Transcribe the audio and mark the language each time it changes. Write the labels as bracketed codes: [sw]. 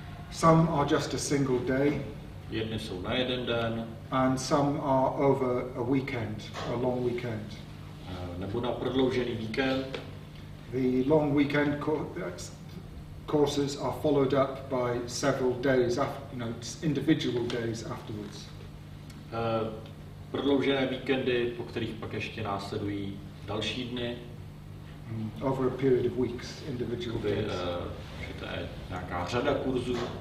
[en] Some are just a single day. [cs] Jedny jsou na jeden den. [en] And some are over a weekend, a long weekend. [cs] Nebo na prodloužený víkend. [en] The long weekend courses are followed up by several days, individual days afterwards. [cs] Prodloužené víkendy, po kterých pak ještě následují další dny. [en] Over a period of weeks, individual days. [cs] Že to je nějaká řada kurzů.